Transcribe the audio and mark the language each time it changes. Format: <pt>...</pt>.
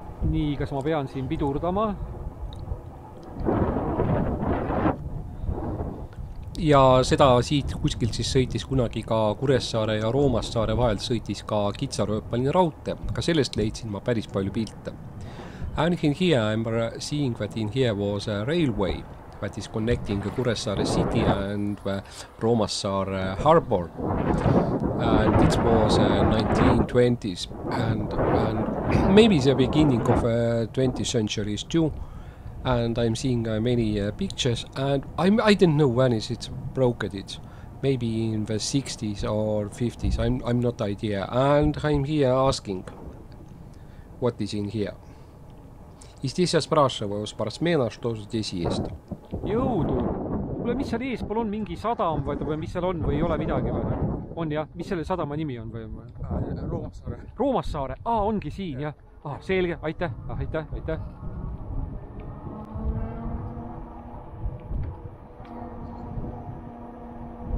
<et>Nii, kas ma pean siin pidurdama? Ja seda siit kuskilt siis sõitis kunagi ka Kuressaare ja Roomassaare vahel sõitis ka kitsarööpaline raute. Ka sellest leidsin ma päris palju pilte.</et> <en>And in here I'm seeing that in here was a railway that is connecting Kuressaare city and Roomassaare harbor. And it was 1920s and maybe the beginning of 20th century is too. And I'm seeing many pictures and I didn't know when is it broken it. Maybe in the 60s or 50s, I'm not idea. And I'm here asking what is in here.</en> <ru>И здесь я спрашиваю у спортсмена, что здесь есть.</ru> <et>Jõudu! Kuule, mis seal eespool on, mingi sadam või mis seal on või ei ole midagi või? On jah, mis selle sadama nimi on või? Roomassaare. Roomassaare, ongi siin jah. Selge, aitäh, aitäh, aitäh.</et>